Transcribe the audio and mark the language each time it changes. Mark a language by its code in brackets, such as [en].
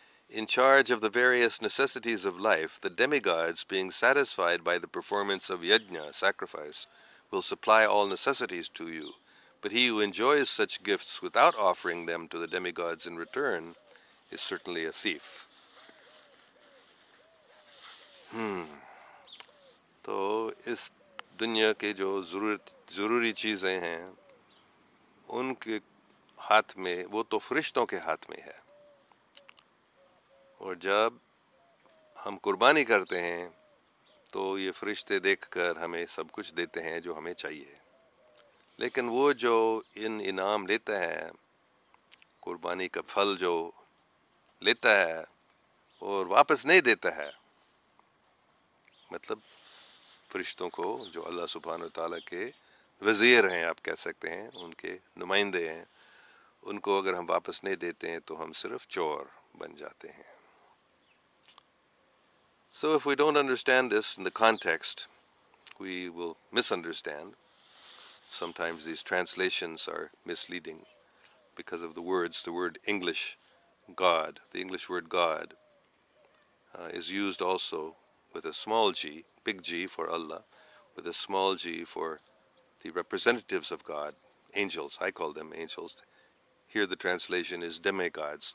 [en] In charge of the various necessities of life, the demigods, being satisfied by the performance of yajna, sacrifice, will supply all necessities to you. But he who enjoys such gifts without offering them to the demigods in return is certainly a thief. [hi] तो इस दुनिया के जो जरूरी चीजें हैं उनके हाथ में वो तो फरिश्तों के हाथ में है और जब हम कुर्बानी करते हैं तो ये फरिश्ते देखकर हमें सब कुछ देते हैं जो हमें चाहिए लेकिन वो जो इन इनाम लेता है कुर्बानी का फल जो लेता है और वापस नहीं देता है मतलब फरिश्तों को जो अल्लाह सुभान व तआला के वजीर हैं आप कह सकते हैं उनके नुमाइंदे हैं उनको अगर हम वापस नहीं देते हैं तो हम सिर्फ चोर बन जाते हैं [en] So if we don't understand this in the context we will misunderstand Sometimes these translations are misleading because of the words. The word English, God, the English word God, is used also with a small g, big G for Allah, with a small g for the representatives of God, angels. I call them angels. Here the translation is demigods.